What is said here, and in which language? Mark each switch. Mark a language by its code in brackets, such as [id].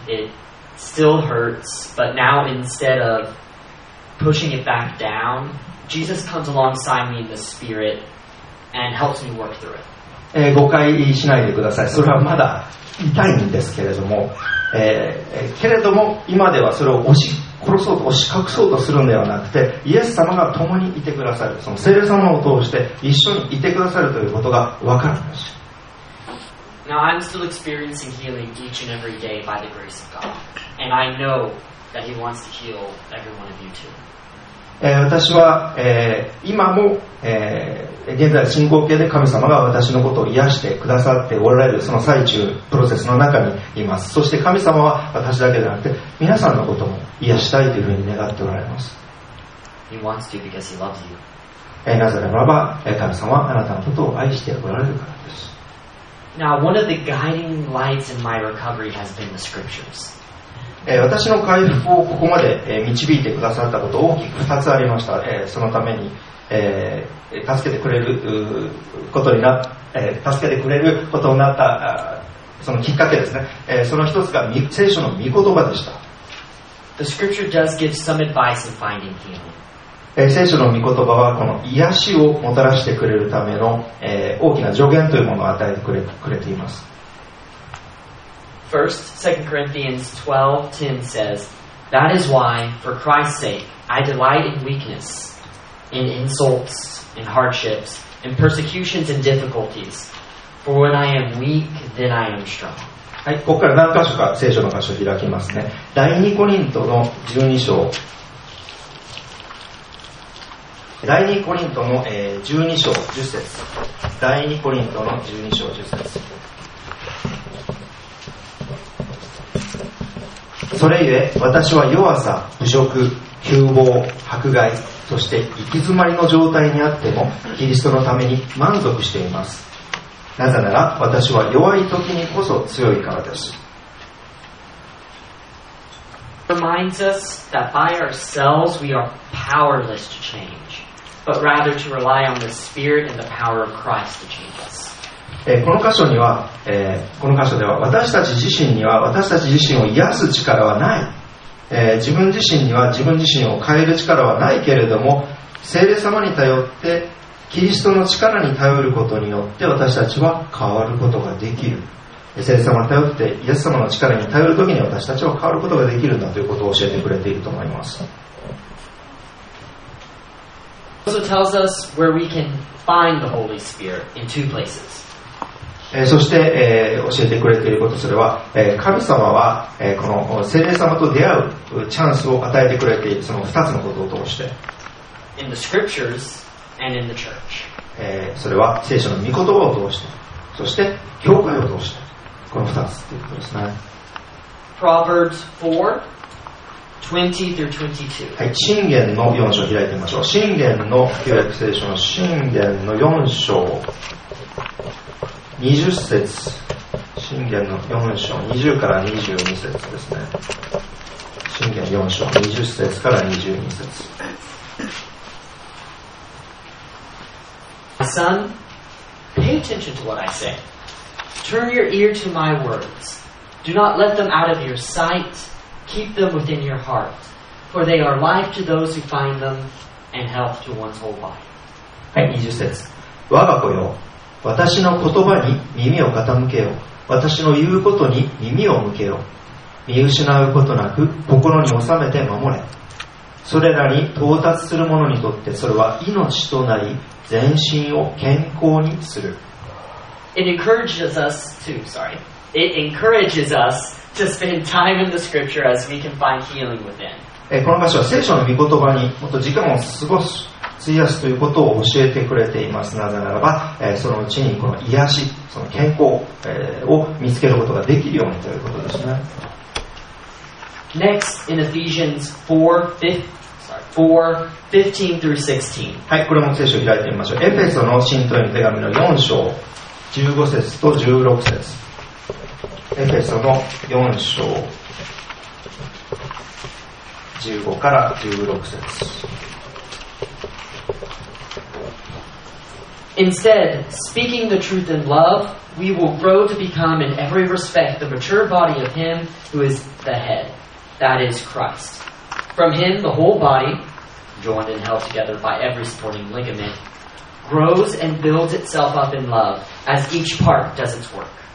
[en] It still hurts, but now instead of pushing it back down, Jesus comes alongside me in the Spirit. And helps me work through it. [ja] 誤解しないでください。それはまだ痛いんですけれども、けれども今ではそれを殺そうと押し隠そうとするのではなくて、イエス様が共にいてくださる、その聖霊様を通して一緒にいてくださるということが分かるんです。 [en] Now I'm still experiencing healing each and every day by the grace of God, and I know that He wants to heal every one of you too. [ja] 私は、今も、現在進行形で神様が私のことを癒してくださっておられる、その最中プロセスの中にいます。そして神様は私だけではなくて皆さんのことも癒したいというふうに願っておられます。 [en] He wants to because he loves you. [ja] なぜならば神様はあなたのことを愛しておられるからです。 [en] Now one of the guiding lights in my recovery has been the scriptures. [ja] 私の回復をここまで導いてくださったこと、大きく2つありました。そのために助けてくれることになった、助けてくれることになったそのきっかけですね。その一つが聖書の御言葉でした。 [en] The scripture does give some advice in finding healing. [ja] 聖書の御言葉はこの癒しをもたらしてくれるための大きな助言というものを与えてくれています。 [en] First, 2 Corinthians 12:10 says, That is why, for Christ's sake, I delight in weakness, in insults, in hardships, in persecutions and difficulties. For when I am weak, then I am strong.、 [ja] はい、ここから何箇所か聖書の箇所を開きますね。第2コリントの12章。第2コリントの、12章10節。第2コリントの12章10節。それゆえ私は弱さ、侮辱、窮乏、迫害、そして行き詰まりの状態にあってもキリストのために満足しています。なぜなら私は弱い時にこそ強いからです。 [en] Reminds us that by ourselves we are powerless to change, but rather to rely on the Spirit and the power of Christ to change us. [ja] この箇所には、この箇所では私たち自身には私たち自身を癒す力はない、自分自身には自分自身を変える力はないけれども、聖霊様に頼ってキリストの力に頼ることによって私たちは変わることができる。聖霊様に頼ってイエス様の力に頼るときに私たちは変わることができるんだということを教えてくれていると思います。 [en] Also tells us where we can find the Holy Spirit in two places [ja] そして、教えてくれていること、それは、神様は、この聖霊様と出会うチャンスを与えてくれている、その2つのことを通して [en] in the scriptures and in the church.、 [ja] それは聖書の御言葉を通して、そして教会を通して、この2つということですね。 [en] Proverbs 4:20-22、 [ja] はい、箴言の4章を開いてみましょう。箴言の旧約聖書の箴言の4章20節、箴言の4章20から22節ですね。箴言4章20節から22節。 [en] My son, pay attention to what I say. Turn your ear to my words. Do not let them out of your sight. Keep them within your heart. For they are life to those who find them and health to one's whole body. [ja] はい、20節。我が子よ。私の言葉に耳を傾けよ。私の言うことに耳を向けよ。見失うことなく心に収めて守れ。それらに到達する者にとってそれは命となり全身を健康にする。 [en] It encourages us to, sorry, it encourages us to spend time in the scripture as we can find healing within. [ja] この場所は聖書の御言葉にもっと時間を過ごす、費やすということを教えてくれています。なぜならば、そのうちにこの癒し、その健康を見つけることができるようにということですね。 [en] Next, in Ephesians 4:15-16. [ja] はい、これも聖書を開いてみましょう。エペソの信徒への手紙の4章。 15節と16節エペソの4章15から16節 [en] Instead, speaking the truth in love, we will grow to become in every respect the mature body of him who is the head, that is Christ. From him the whole body, joined and held together by every supporting ligament,grows and builds itself up in love as each part does its work.